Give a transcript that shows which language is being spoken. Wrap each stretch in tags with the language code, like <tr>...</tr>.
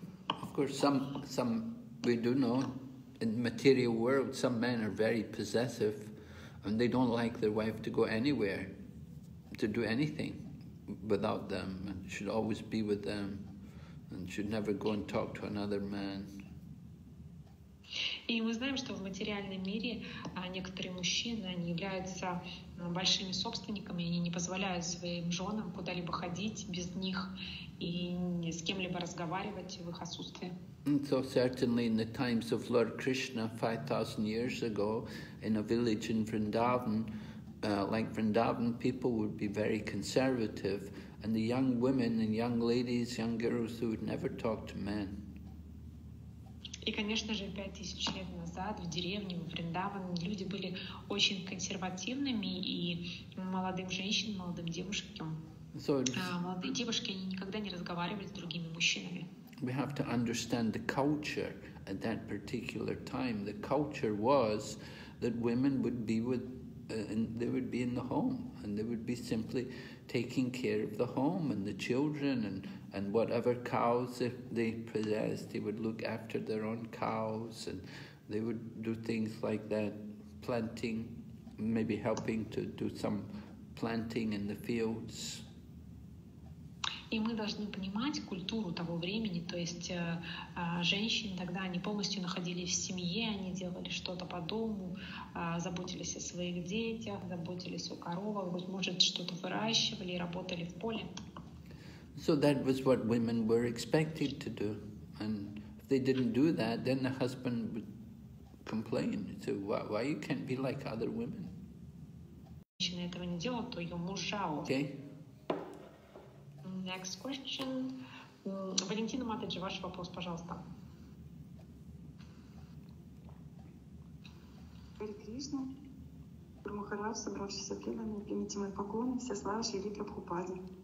<en>Of course, some we do know in the material world, some men are very possessive, and they don't like their wife to go anywhere, to do anything without them, and should always be with them. And should never go and talk to another man.</en> <ru>И мы знаем, что в материальном мире некоторые мужчины, они являются большими собственниками, они не позволяют своим женам куда-либо ходить без них и с кем-либо разговаривать в их отсутствие.</ru> <en>And so certainly in the times of Lord Krishna, 5,000 years ago, in a village in Vrindavan, like Vrindavan, people would be very conservative. And the young women and young ladies, young girls, who would never talk to men.</en> <ru>И, конечно же, 5000 лет назад в деревне, в Вриндаване, люди были очень консервативными, и молодым женщинам, молодым девушкам, молодые девушки, они никогда не разговаривали с другими мужчинами.</ru> <en>We have to understand the culture at that particular time. The culture was that women would be with, and they would be in the home, and they would be simply taking care of the home and the children and whatever cows they possessed, they would look after their own cows, and they would do things like that, planting, maybe helping to do some planting in the fields.</en> <ru>И мы должны понимать культуру того времени, то есть женщины тогда, они полностью находились в семье, они делали что-то по дому, заботились о своих детях, заботились о коровах, может, что-то выращивали и работали в поле.</ru> <en>So that was what women were expected to do. And if they didn't do that, then the husband would complain. So why you can't be like other women?</en> <ru>Женщина этого не делала, то ее муж жал.</ru> <en>Next question.</en> <ru>Валентина Матаджи, ваш вопрос, пожалуйста. Хари Кришна. Гуру Махарадж, собравшись со преданными, примите мои поклоны, все славы Шри Прабхупаде.</ru>